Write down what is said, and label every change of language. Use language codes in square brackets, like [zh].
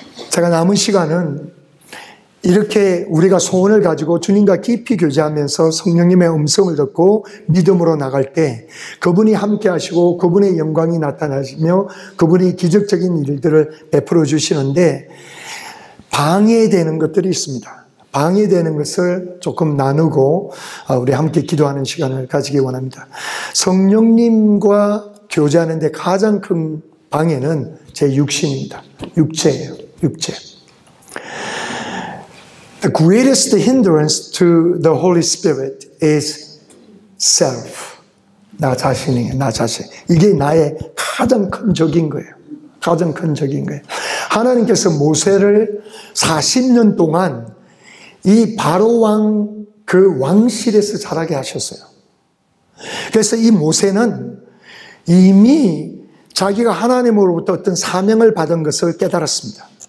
[ko] 제가 남은 시간은 이렇게 우리가 소원을 가지고 주님과 깊이 교제하면서 성령님의 음성을 듣고 믿음으로 나갈 때 그분이 함께 하시고 그분의 영광이 나타나시며 그분이 기적적인 일들을 베풀어 주시는데 방해되는 것들이 있습니다. 방해되는 것을 조금 나누고 우리 함께 기도하는 시간을 가지기 원합니다. 성령님과 교제하는 데 가장 큰 방해는 제 육신입니다. 육체예요. 육체. [en] The greatest hindrance to the Holy Spirit is self. [ko] 나 자신이에요. 나 자신. 이게 나의 가장 큰 적인 거예요. 가장 큰 적인 거예요. 하나님께서 모세를 40년 동안 이 바로 왕 그 왕실에서 자라게 하셨어요. 그래서 이 모세는 이미 자기가 하나님으로부터 어떤 사명을 받은 것을 깨달았습니다.